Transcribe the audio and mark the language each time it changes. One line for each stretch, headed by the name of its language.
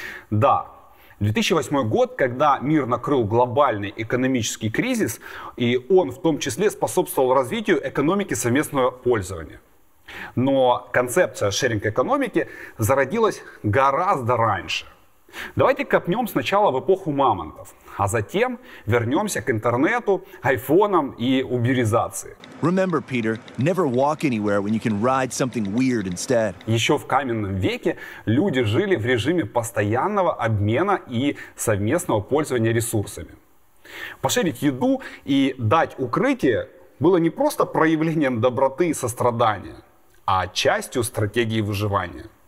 Russian: Да, 2008 год, когда мир накрыл глобальный экономический кризис, и он в том числе способствовал развитию экономики совместного пользования. Но концепция шеринг-экономики зародилась гораздо раньше. Давайте копнем сначала в эпоху мамонтов, а затем вернемся к интернету, айфонам и уберизации.
English: Remember, Peter, never walk anywhere when you can ride something weird instead.
Russian: Еще в каменном веке люди жили в режиме постоянного обмена и совместного пользования ресурсами. Пошерить еду и дать укрытие было не просто проявлением доброты и сострадания, а частью стратегии выживания.